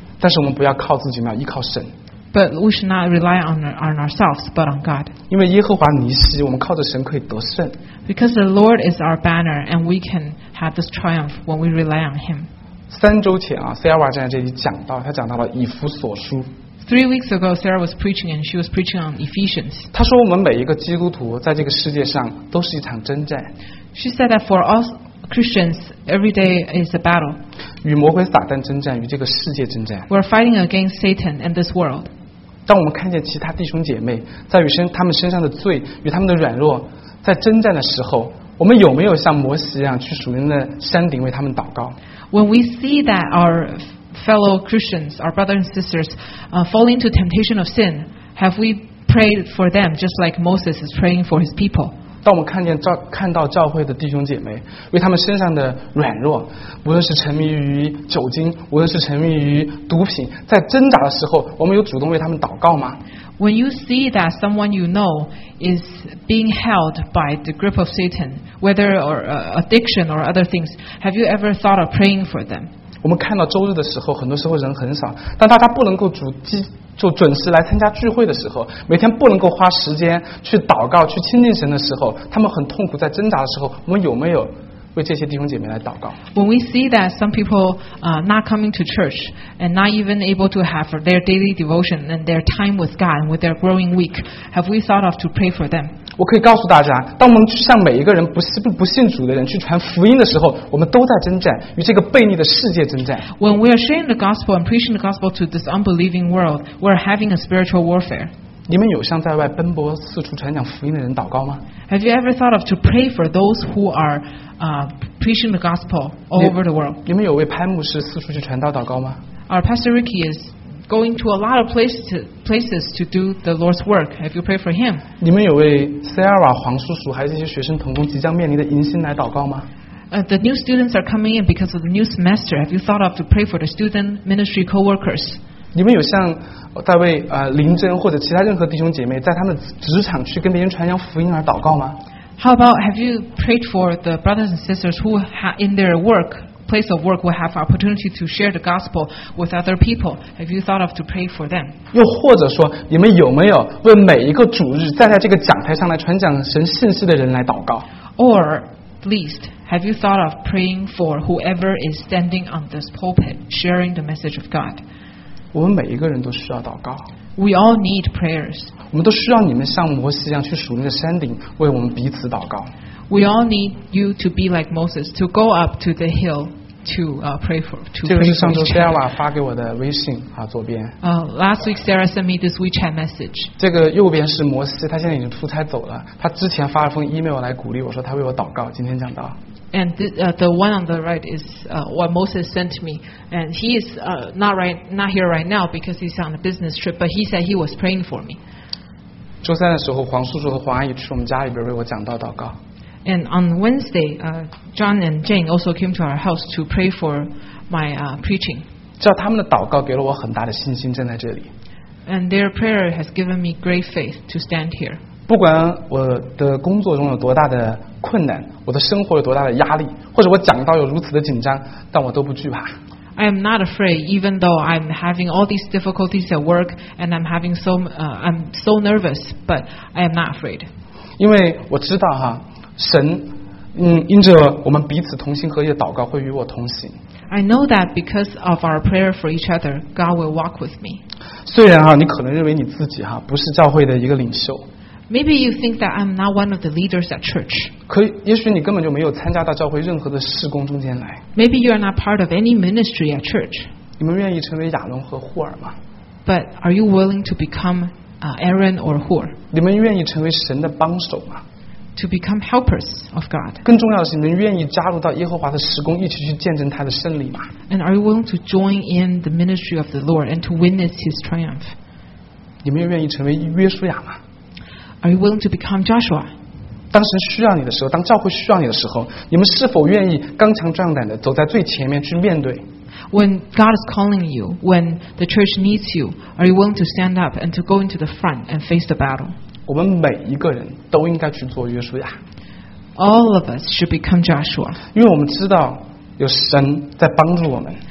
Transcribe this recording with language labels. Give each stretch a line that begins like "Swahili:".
Chinese: 但是我们不要靠自己，要依靠神。
English: But we should not rely on ourselves, but on God.
Chinese: 因为耶和华尼西，我们靠着神可以得胜。
English: Because the Lord is our banner, and we can have this triumph when we rely on Him.
Chinese: 三周前啊 ，Sarah 站在这里讲到，她讲到了以弗所书。
English: Three weeks ago, Sarah was preaching, and she was preaching on Ephesians.
Chinese: 她说，我们每一个基督徒在这个世界上都是一场征战。
English: She said that for us. Christians, every day is a battle.
Chinese: 与魔鬼撒旦征战，与这个世界征战。
English: We're fighting against Satan and this world.
Chinese: 当我们看见其他弟兄姐妹在与他们身上的罪与他们的软弱在征战的时候，我们有没有像摩西一样去属灵的山顶为他们祷告
English: ？When we see that our fellow Christians, our brothers and sisters, fall into temptation of sin, have we prayed for them just like Moses is praying for his people?
Chinese: 当我们看到教会的弟兄姐妹为他们身上的软弱，无论是沉迷于酒精，无论是沉迷于毒品，在挣扎的时候，我们有主动为他们祷告吗
English: ？When you see that someone you know is being held by the grip of Satan, whether or addiction or other things, have you ever thought of praying for them？
Chinese: 我们看到周日的时候，很多时候人很少，但大家不能够就准时来参加聚会的时候，每天不能够花时间去祷告、去亲近神的时候，他们很痛苦，在挣扎的时候，我们有没有为这些弟兄姐妹来祷告
English: ？When we see that some people not coming to church and not even able to have their daily devotion and their time with God with their growing week, have we thought of to pray for them？
Chinese: 我可以告诉大家，当我们去向每一个人不信主的人去传福音的时候，我们都在征战，与这个悖逆的世界征战。
English: When we are sharing the gospel and preaching the gospel to this unbelieving world, we are having a spiritual warfare.
Chinese: 你们有向在外奔波四处传讲福音的人祷告吗？
English: Have you ever thought of to pray for those who are preaching the gospel all over the world?
Chinese: 你们有为潘牧师四处去传道祷告吗？
English: Our Pastor Ricky is. Going to a lot of places to do the Lord's work. Have you prayed for him?
Chinese: 你们有为 Sarah 黄叔叔还有这些学生同工即将面临的迎新来祷告吗？
English: The new students are coming in because of the new semester. Have you thought of to pray for the student ministry co-workers?
Chinese: 你们有向在为林真或者其他任何弟兄姐妹在他们职场去跟别人传扬福音而祷告吗？
English: How about have you prayed for the brothers and sisters who in their work? Place of work will have opportunity to share the gospel with other people. Have you thought of to pray for them?
Chinese: 又或者说，你们有没有为每一个主日站在这个讲台上来传讲神信息的人来祷告？
English: Or at least, have you thought of praying for whoever is standing on this pulpit sharing the message of God?
Chinese: 我们每一个人都需要祷告。
English: We all need prayers.
Chinese: 我们都需要你们像摩西一样去属灵的山顶为我们彼此祷告。
English: We all need you to be like Moses to go up to the hill to pray for.
Chinese: 这个是上周 Sarah 发给我的微信啊，左边。
English: Last week Sarah sent me this WeChat message.
Chinese: 这个右边是摩西，他现在已经出差走了。他之前发了封 email 来鼓励我说他为我祷告，今天讲到。
English: And the one on the right is what Moses sent me, and he is not here right now because he's on a business trip. But he said he was praying for me.
Chinese: 周三的时候，黄叔叔和黄阿姨去我们家里边为我讲道祷告。
English: And on Wednesday, John and Jane also came to our house to pray for my preaching.
Chinese: 叫他们的祷告给了我很大的信心，站在这里。
English: And their prayer has given me great faith to stand here.
Chinese: 不管我的工作中有多大的困难，我的生活有多大的压力，或者我讲道有如此的紧张，但我都不惧怕。
English: I am not afraid, even though I'm having all these difficulties at work and I'm having I'm so nervous, but I am not afraid.
Chinese: 因为我知道哈。神，因着我们彼此同心合意的祷告，会与我同行。
English: I know that because of our prayer for each other, God will walk with me.
Chinese: 虽然哈，你可能认为你自己哈不是教会的一个领袖。
English: Maybe you think that I'm not one of the leaders at church.
Chinese: 可以，也许你根本就没有参加到教会任何的事工中间来。
English: Maybe you are not part of any ministry at church.
Chinese: 你们愿意成为亚伦和霍尔吗
English: ？But are you willing to become Aaron or Hur?
Chinese: 你们愿意成为神的帮手吗？
English: To become helpers of God.
Chinese: 更重要的是，你们愿意加入到耶和华的施工，一起去见证他的胜利吗
English: ？And are you willing to join in the ministry of the Lord and to witness His triumph?
Chinese: 你们又愿意成为约书亚吗
English: ？Are you willing to become Joshua?
Chinese: 当神需要你的时候，当教会需要你的时候，你们是否愿意刚强壮胆的走在最前面去面对
English: ？When God is calling you, when the church needs you, are you willing to stand up and to go into the front and face the battle?
Chinese: 我们每一个人都应该去做约书亚。
English: All of us should become Joshua.
Chinese: 因为我们知道有神在帮助我们。